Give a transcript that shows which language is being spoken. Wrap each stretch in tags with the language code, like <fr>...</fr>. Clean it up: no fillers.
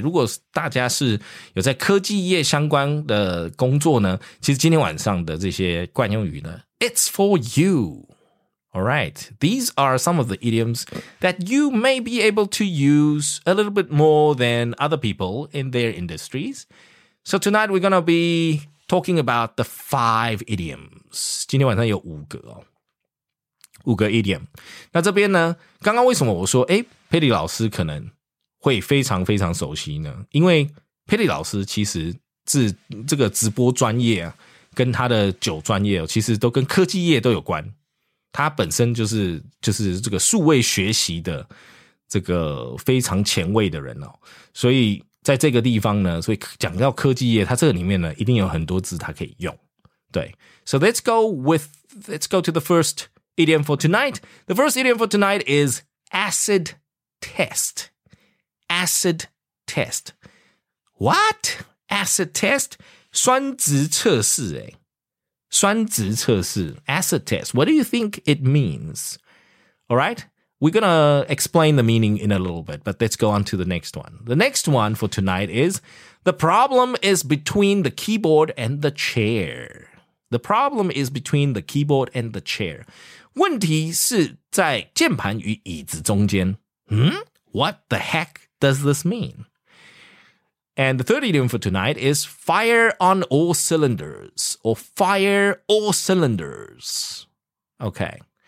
<zh>如果大家是有在科技业相关的工作呢，其实今天晚上的这些惯用语呢，</zh> <en>it's for you. All right. These are some of the idioms that you may be able to use a little bit more than other people in their industries. So tonight we're going to be talking about the five idioms.</en> <zh>今天晚上有五个哦。五个 idiom， 那这边呢？刚刚为什么我说，佩蒂老师可能会非常非常熟悉呢？因为佩蒂老师其实是这个直播专业啊，跟他的酒专业，其实都跟科技业都有关。他本身就是这个数位学习的这个非常前卫的人哦，所以在这个地方呢，所以讲到科技业，他这个里面呢，一定有很多字他可以用。</zh> <en>对 ，So let's go to the first. Idiom for tonight. The first idiom for tonight is acid test. Acid test. What? Acid test?</en> <zh>酸质测试诶。酸质测试。Acid test.</zh> <en>What do you think it means? Alright? We're gonna explain the meaning in a little bit, but let's go on to the next one. The next one for tonight is the problem is between the keyboard and the chair. The problem is between the keyboard and the chair.</en> <zh>问题是在键盘与椅子中间。</zh> <en>What the heck does this mean? And the third idiom for tonight is fire on all cylinders, or fire all cylinders. Okay.</en>